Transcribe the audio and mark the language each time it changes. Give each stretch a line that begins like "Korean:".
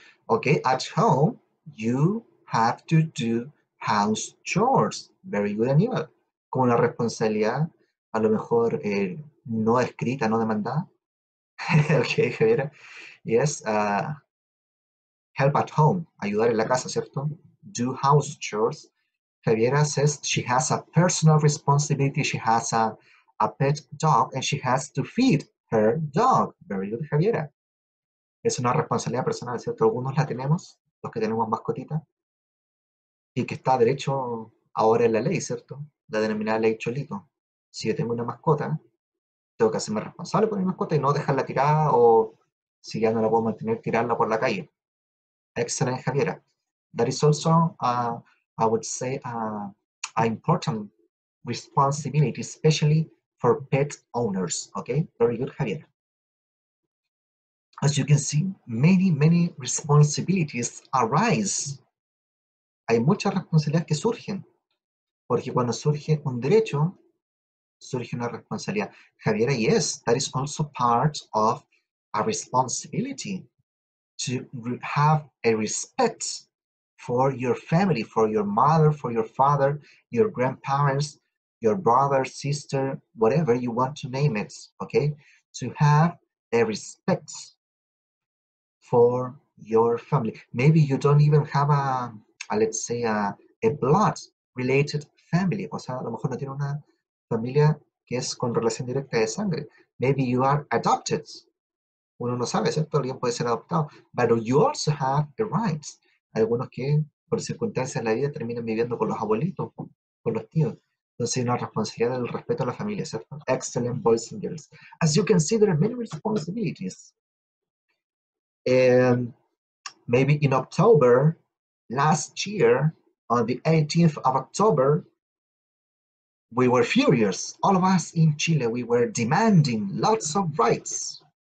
English: Okay, at home, you have to do house chores. Very good, Aníbal.
Spanish: Como una responsabilidad, a lo mejor no escrita, no demandada.
English: Okay, Javier. Yes, help at home.
Spanish: Ayudar en la casa, ¿cierto?
English: Do house chores. Javier says she has a personal responsibility. She has a pet dog and she has to feed her dog. Very good, Javier.
Spanish: Es una responsabilidad personal, ¿cierto? Algunos la tenemos. Los que tenemos mascotita y que está derecho ahora en la ley, ¿cierto? La denominada ley Cholito. Si yo tengo una mascota, tengo que hacerme responsable por mi mascota y no dejarla tirada o si ya no la puedo mantener, tirarla por la calle. Excelente, Javiera.
English: That is also, I would say, a important responsibility, especially for pet owners. Okay? Very good, Javiera. As you can see, many, many responsibilities arise.
Spanish: Hay muchas responsabilidades que surgen, porque cuando surge un derecho, surge una responsabilidad.
English: Javiera, yes, that is also part of a responsibility to have a respect for your family, for your mother, for your father, your grandparents, your brother, sister, whatever you want to name it, okay? To have a respect for your family. Maybe you don't even have a let's say, a blood related family.
Spanish: O sea, a lo mejor no tiene una familia que es con relación directa de sangre.
English: Maybe you are adopted.
Spanish: Uno no sabe, ¿cierto? Alguien puede ser adoptado.
English: But you also have the rights.
Spanish: Algunos que, por circunstancias de la vida, terminan viviendo con los abuelitos, con los tíos. Entonces, hay una responsabilidad del respeto a la familia, ¿cierto?
English: Excellent, boys and girls. As you can see, there are many responsibilities. And maybe in October, last year, on the 18th of October, we were furious. All of us in Chile, we were demanding lots of rights.